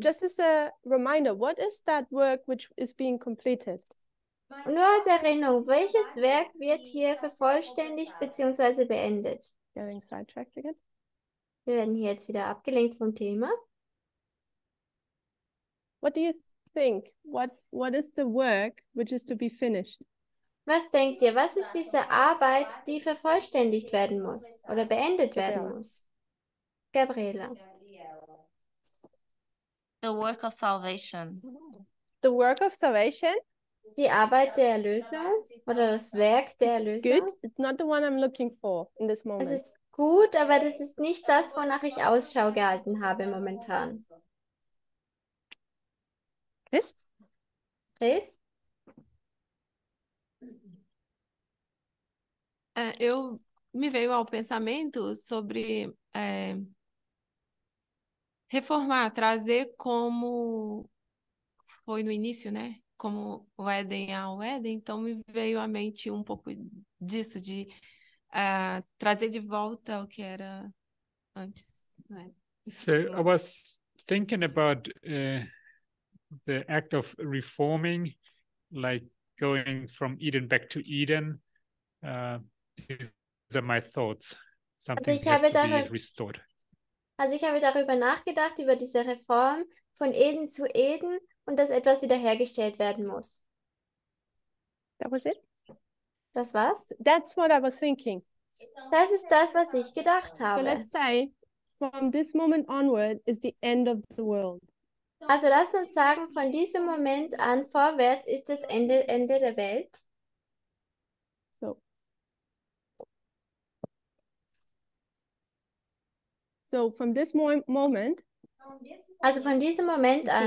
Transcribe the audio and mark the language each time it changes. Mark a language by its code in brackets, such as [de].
[en] Just as a reminder, what is that work which is being completed? [de] Nur als Erinnerung, welches Werk wird hier vervollständigt bzw. beendet? [en] Getting sidetracked again. [de] Wir werden hier jetzt wieder abgelenkt vom Thema. [en] What do you think? What is the work which is to be finished? [de] Was denkt ihr, was ist diese Arbeit, die vervollständigt werden muss oder beendet werden muss? [en] Gabriela. The work of salvation. The work of salvation? [de] Die Arbeit der Erlösung oder das Werk der Erlösung? [en] Good. It's not the one I'm looking for in this moment. [de] Es ist gut, aber das ist nicht das, wonach ich Ausschau gehalten habe momentan. [en] Chris? Chris? [pt] Eu me veio ao pensamento sobre reformar, trazer como foi no início, né? Como o Éden ao Éden, então me veio à mente um pouco disso, de trazer de volta o que era antes. Né? [en] So I was thinking about the act of reforming, like going from Eden back to Eden. These are my thoughts. Something also has to be restored. [de] Also ich habe darüber nachgedacht, über diese Reform von Eden zu Eden und dass etwas wiederhergestellt werden muss. [en] That was it? [de] Das war's? [en] That's what I was thinking. [de] Das ist das, was ich gedacht habe. [en] So let's say, from this moment onward is the end of the world. [de] Also lass uns sagen, von diesem Moment an vorwärts ist das Ende der Welt. [en] So from this moment, [de] also von diesem Moment an,